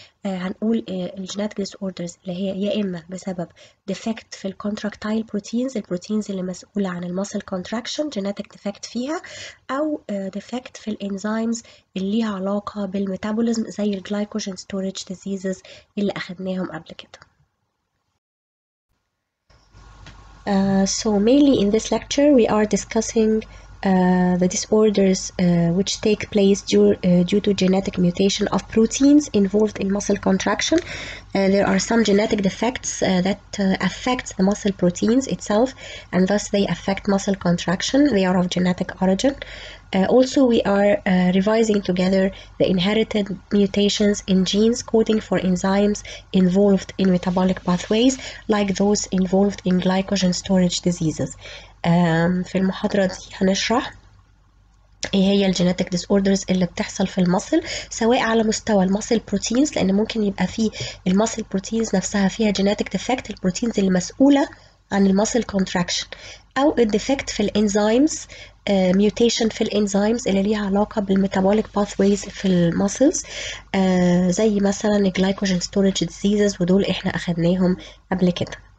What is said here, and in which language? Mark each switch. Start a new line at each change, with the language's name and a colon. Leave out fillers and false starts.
Arabic: هنقول الجينيتك ديس اوردرز اللي هي يا اما بسبب ديفكت في الكونتراكتايل بروتينز، البروتينز اللي مسؤوله عن الماسل كونتراكشن، جينيتك ديفكت فيها، او ديفكت في الانزيمز اللي ليها علاقه بالميتابوليزم زي الجلايكوجين ستورج ديزيزز اللي اخدناهم قبل كده.
English: So mainly in this lecture, we are discussing the disorders which take place due to genetic mutation of proteins involved in muscle contraction. There are some genetic defects that affect the muscle proteins itself, and thus they affect muscle contraction. They are of genetic origin. Also, we are revising together the inherited mutations in genes coding for enzymes involved in metabolic pathways, like those involved in glycogen storage diseases.
Arabic: في المحاضرة دي هنشرح ايه هي الجينيتك ديس اوردرز اللي بتحصل في المصل، سواء على مستوى المصل بروتينز، لان ممكن يبقى في المصل بروتينز نفسها فيها جينيتك ديفكت، البروتينز اللي مسؤولة عن المصل كونتراكشن، او الديفكت في الانزيمز، ميوتيشن في الانزيمز اللي ليها علاقة بالميتابوليك باثويز في المصلز، زي مثلا الجلايكوجين ستورج ديزيزز، ودول احنا اخدناهم قبل كده.